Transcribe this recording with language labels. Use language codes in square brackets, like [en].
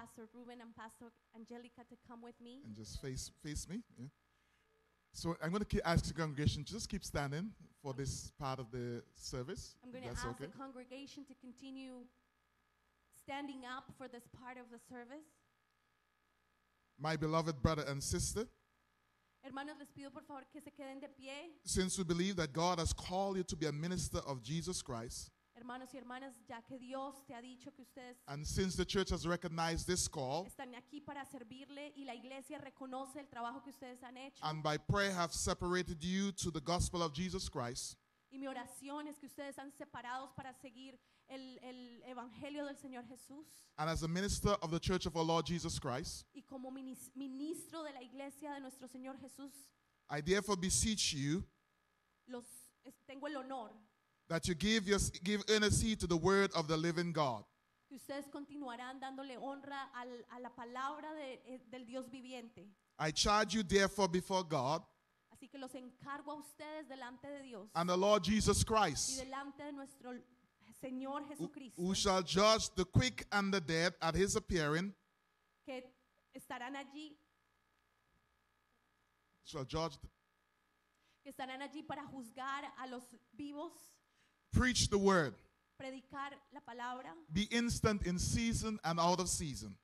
[en] Pastor Ruben and Pastor Angelica to come with me. And just face me. Yeah. So I'm going to ask the congregation to just keep standing for this part of the service. I'm going to ask the congregation to continue standing up for this part of the service. My beloved brother and sister. [es] Hermanos, les pido por favor que se queden de pie. [en] Since we believe that God has called you to be a minister of Jesus Christ, [es] hermanos y hermanas, ya que Dios te ha dicho que ustedes, [en] and since the church has recognized this call, [es] están aquí para servirle y la iglesia reconoce el trabajo que ustedes han hecho, [en] and by prayer have separated you to the gospel of Jesus Christ, [es] y mi oración es que ustedes han separados para seguir el evangelio del Señor Jesús, [en] and as a minister of the church of our Lord Jesus Christ, [es] y como ministro de la iglesia de nuestro Señor Jesús, [en] I therefore beseech you, [es] tengo el honor, [en] that you give earnest heed to the word of the living God. [es] Ustedes continuarán dándole honra a la palabra del Dios viviente. [en] I charge you therefore before God. [es] Así que los encargo a ustedes delante de Dios. [en] And the Lord Jesus Christ. [es] Y delante de nuestro Señor Jesucristo. [en] Who shall judge the quick and the dead at his appearing. [es] Que estarán allí. [en] Shall judge. [es] Que estarán allí para juzgar a los vivos. [en] Preach the word. [es] Predicar la palabra. [en] Be instant in season and out of season.